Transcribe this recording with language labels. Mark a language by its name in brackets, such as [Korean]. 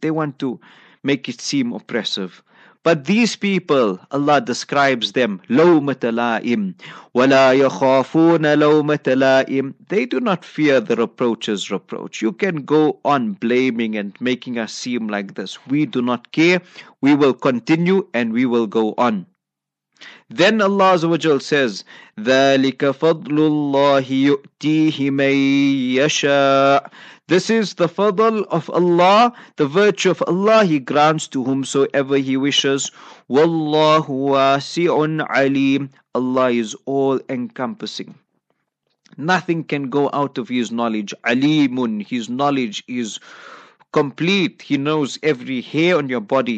[English] They want to make it seem oppressive. But these people, Allah describes them, [Arabic] لَوْمَةَ لَائِمْ وَلَا يَخَافُونَ لَوْمَةَ لَائِمْ. [English] They do not fear the reproaches reproach. You can go on blaming and making us seem like this. We do not care. We will continue and we will go on. Then Allah Azawajal says, [Arabic] ذَلِكَ فَضْلُ اللَّهِ يُؤْتِيهِ مَنْ يَشَاءُ. [English] This is the fadl of Allah, the virtue of Allah, He grants to whomsoever He wishes. [Arabic] وَاللَّهُ وَاسِعٌ عَلِيمٌ. [English] Allah is all-encompassing. Nothing can go out of His knowledge. [Arabic] عَلِيمٌ. [English] His knowledge is complete. He knows every hair on your body.